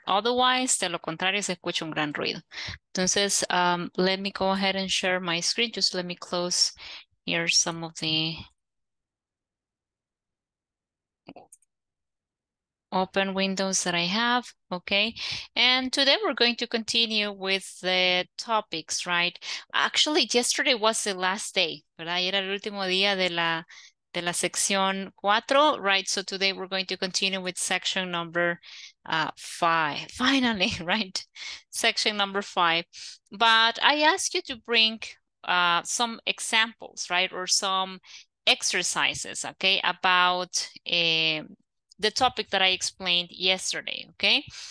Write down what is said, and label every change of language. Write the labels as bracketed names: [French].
[Spanish] Otherwise, de lo contrario, se escucha un gran ruido. [English] Entonces, let me go ahead and share my screen. Just let me close. Here's some of the open windows that I have. Okay. And today we're going to continue with the topics, right? Actually, yesterday was the last day, ¿verdad? [Spanish] Era el último día de la sección cuatro, right? [English] So today we're going to continue with section number five. Finally, right? Section number five. But I ask you to bring some examples, right, or some exercises, okay, about the topic that I explained yesterday, okay.